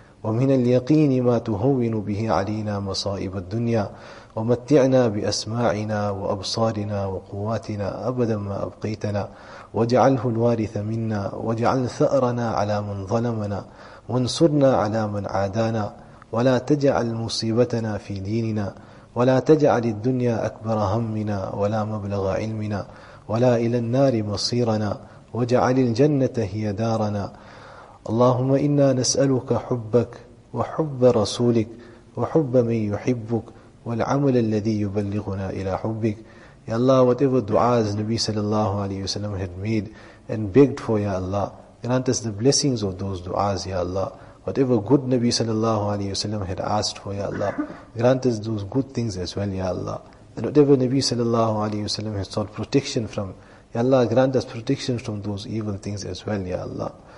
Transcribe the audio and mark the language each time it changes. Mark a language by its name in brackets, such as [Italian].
[Arabic] wa min al-yaqini ma tuhawinu bihi alina masaib al-dunya wa matti'na bi asma'ina wa absarina wa quwatina abadan ma abqaitana wa ja'alhu al-waritha minna wa ja'al tha'rana ala man zalamana وانصرنا على من عادانا ولا تجعل مصيبتنا في ديننا ولا تجعل الدنيا أكبر همنا ولا مبلغ علمنا ولا إلى النار مصيرنا واجعل الجنة هي دارنا. اللهم إنا نسألك حبك وحب رسولك وحب من يحبك والعمل الذي يبلغنا إلى حبك. [English] يا الله, whatever du'as Nabi sallallahu alayhi wa sallam had made and begged for, Ya Allah, grant us the blessings of those du'as, Ya Allah. Whatever good Nabi sallallahu alayhi wa sallam had asked for, Ya Allah, grant us those good things as well, Ya Allah. And whatever Nabi sallallahu alayhi wa sallam had sought protection from, Ya Allah, grant us protection from those evil things as well, Ya Allah.